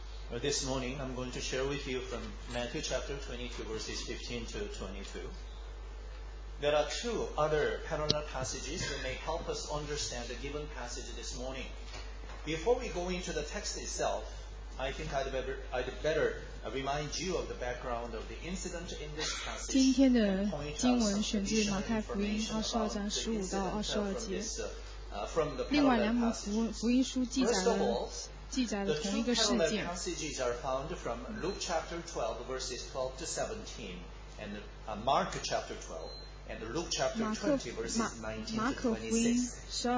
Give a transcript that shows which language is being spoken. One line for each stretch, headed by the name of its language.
English: Well, this morning, I'm going to share with you from Matthew chapter 22, verses 15 to 22. There are two other parallel passages that may help us understand the given passage this morning. Before we go into the text itself, I think I'd better remind you of the background of the incident in this passage.
Chinese: 今天的经文选自马太福音二十二章十五到二十二节。另外两本福音书记载了同一个事件。
English: The parallel passages are found from Luke chapter 12, verses 12 to 17, and Mark chapter 12. And Luke chapter 20, verses 19 to 26.